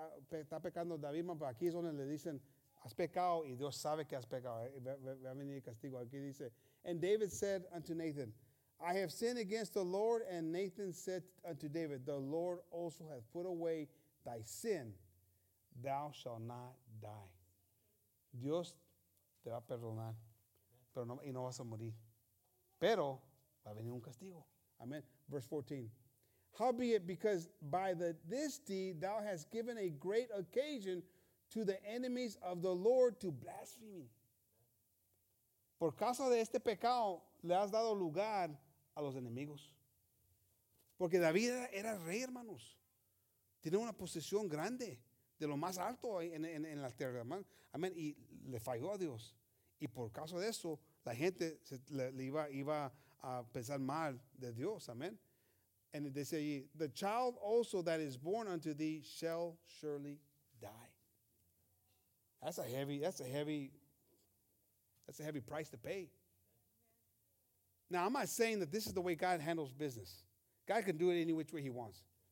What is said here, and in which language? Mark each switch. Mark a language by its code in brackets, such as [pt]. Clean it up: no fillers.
[es] Está pecando David, pero aquí es donde le dicen has pecado y Dios sabe que has pecado. Va a venir el castigo. Aquí dice, [en] and David said unto Nathan, I have sinned against the Lord. And Nathan said unto David, the Lord also hath put away thy sin, thou shalt not die. [es] Dios te va a perdonar, pero no, y no vas a morir, pero va a venir un castigo. [en] Amen. Verse 14. Howbeit, because by this deed thou hast given a great occasion to the enemies of the Lord to blaspheme. [es] Por causa de este pecado, le has dado lugar a los enemigos. Porque David era rey, hermanos. Tiene una posición grande, de lo más alto en la tierra. Amén. Y le falló a Dios. Y por causa de eso, la gente le iba a pensar mal de Dios. Amén. [en] And they say, the child also that is born unto thee shall surely die. That's a heavy price to pay. Now, I'm not saying that this is the way God handles business. God can do it any which way he wants.